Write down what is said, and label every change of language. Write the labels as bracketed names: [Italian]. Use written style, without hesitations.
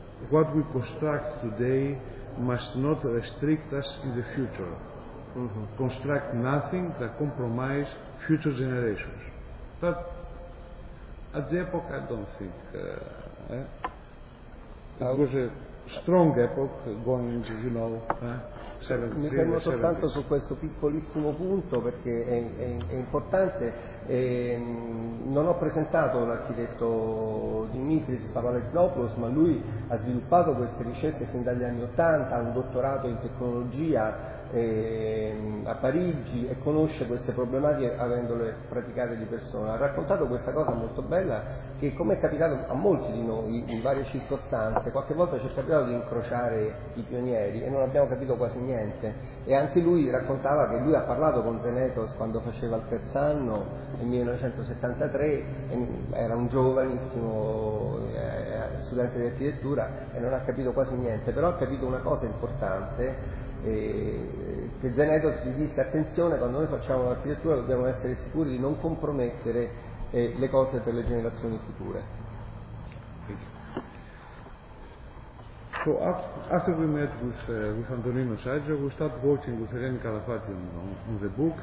[English] what we construct today must not restrict us in the future. Mm-hmm. Construct nothing that compromise future generations. But at the epoch, I don't think it was a strong epoch going, you know, [Italian] 70, mi fermo soltanto su questo piccolissimo punto perché è importante. Non ho presentato l'architetto Dimitris Papalesnopoulos, ma lui ha sviluppato queste ricerche fin dagli anni 80, ha un dottorato in tecnologia a Parigi e conosce queste problematiche avendole praticate di persona. Ha raccontato questa cosa molto bella che, come è capitato a molti di noi in varie circostanze, qualche volta ci è capitato di incrociare i pionieri e non abbiamo capito quasi niente. E anche lui raccontava che lui ha parlato con Zenetos quando faceva il terzo anno nel 1973, era un giovanissimo studente di architettura e non ha capito quasi niente, però ha capito una cosa importante. Che Zenetos gli disse: attenzione, quando noi facciamo l'architettura dobbiamo essere sicuri di non compromettere le cose per le generazioni future. [English] So after we met with Antonino Saggio, we started working with Irene Calafati on the book.